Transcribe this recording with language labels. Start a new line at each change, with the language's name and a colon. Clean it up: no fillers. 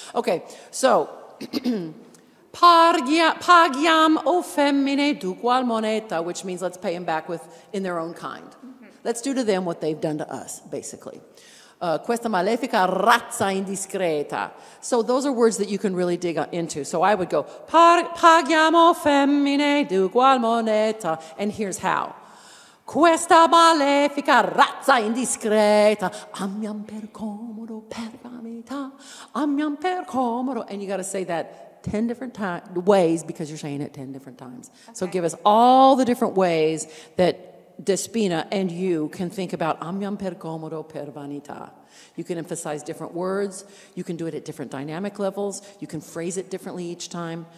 English: Okay, so
Italian: paghiam o femmine d'ugual moneta,
English: which means let's pay him back with in their own kind. Mm-hmm. Let's do to them what they've done to us, basically.
Italian: Questa malefica razza indiscreta.
English: So those are words that you can really dig into. So I would go
Italian: paghiam o femmine d'ugual moneta,
English: and here's how.
Italian: Questa malefica razza indiscreta, amiam per comodo per vanità, amiam per comodo.
English: And you got to say that 10 different ways because you're saying it 10 different times. Okay. So give us all the different ways that Despina and you can think about
Italian: amiam per comodo per vanità.
English: You can emphasize different words. You can do it at different dynamic levels. You can phrase it differently each time.